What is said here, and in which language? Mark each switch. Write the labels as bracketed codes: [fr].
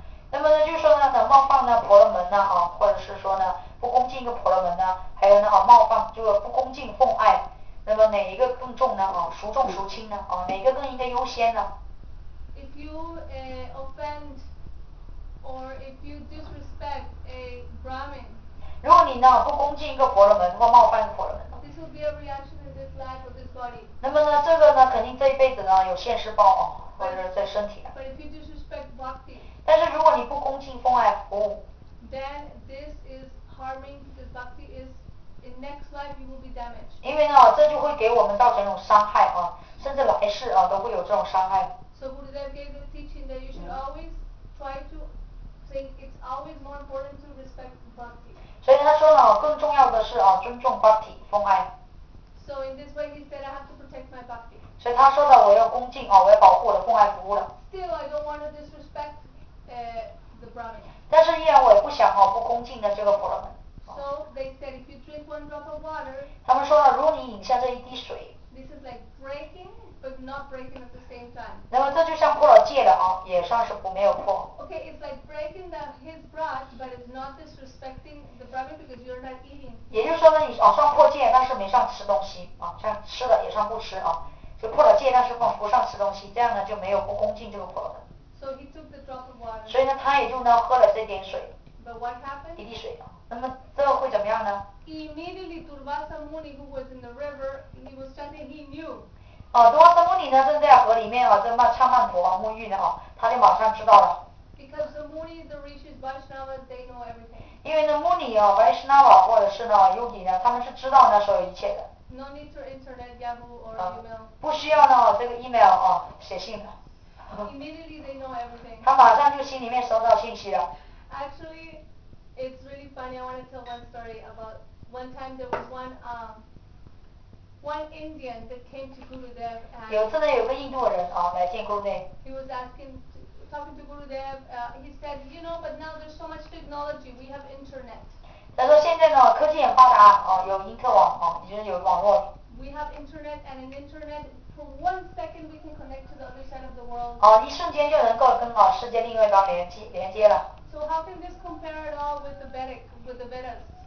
[zh] 那么呢就是说呢能冒犯呢婆罗门呢或者是说呢不恭敬一个婆罗门呢还有呢冒犯就是不恭敬奉爱那么哪一个更重呢孰重孰轻呢哪一个更应该优先呢 [en] If you offend or if you disrespect a Brahmin [zh] 如果你呢不恭敬一个婆罗门或冒犯一个婆罗门呢 [en] this will be a reaction in this life or this body. [zh] 那么呢这个呢肯定这一辈子呢有现世报啊，或者在身体 [en] but if you disrespect bhakti, [zh] 但是如果你不恭敬奉爱服务 [en] then this is harming because bhakti is in next life you will be damaged. [zh] 因为呢这就会给我们造成一种伤害啊，甚至来世啊都会有这种伤害。 [en] So Gurudev gave the teaching that you should always try to think it's always more important to respect bhakti. [zh] 所以他说呢，更重要的是啊，尊重 bhakti 奉爱。 [en] So in this way, he said, I have to protect my bhakti. [zh] 所以他说呢，我要恭敬啊，我要保护我的奉爱服务了。 [en] Still, I don't want to disrespect the brahmin. [zh] 但是依然我也不想啊，不恭敬的这个婆罗门。 [en] So they said, if you drink one drop of water. [zh] 他们说呢，如果你饮下这一滴水。 [en] This is like breaking. But not breaking at the same time. [zh] 那么这就像破了戒的啊，也算是不没有破。 [en] Okay, it's like breaking the his brush, but it's not disrespecting the brahmin because you're not eating. [zh] 也就是说呢，你啊算破戒，但是没算吃东西啊，像吃的也算不吃啊，就破了戒，但是不算吃东西，这样呢就没有不恭敬这个婆罗门。 [en] So he took the drop of water. [zh] 所以呢，他也就呢喝了这点水。 [en] But what happened? [zh] 一滴水啊，那么这会怎么样呢 [en] ？Immediately, Durvasa Muni, who was in the river, he was chanting. He knew. [zh] 啊，多瑟穆尼呢正在河里面啊，正在唱曼陀啊，沐浴呢啊，他就马上知道了。 [en] Because the Muni, the rishis, Vaishnavas, they know everything. [zh] 因为呢，穆尼啊 ，Vaishnava 或者是呢 ，Yogi 呢，他们是知道那所有一切的。 [en] No need to internet, Yahoo or email. [zh] 不需要呢，这个 email 啊，写信的。 [en] Immediately they know everything. [zh] 他马上就心里面收到信息了。 [en] Actually, it's really funny. I want to tell one story about one time there was one Indian that came to Gurudev and [zh] 有次呢有个印度人啊来见 Gurudev [en] he was asking talking to Gurudev he said you know but now there's so much technology we have internet [zh] 他说现在呢科技很发达啊有因特网啊已经有网络 [en] we have internet and an internet for one second we can connect to the other side of the world [zh] 啊一瞬间就能够跟啊世界另外一端连接了 [en] so how can this compare at all with the Vedic with the Vedas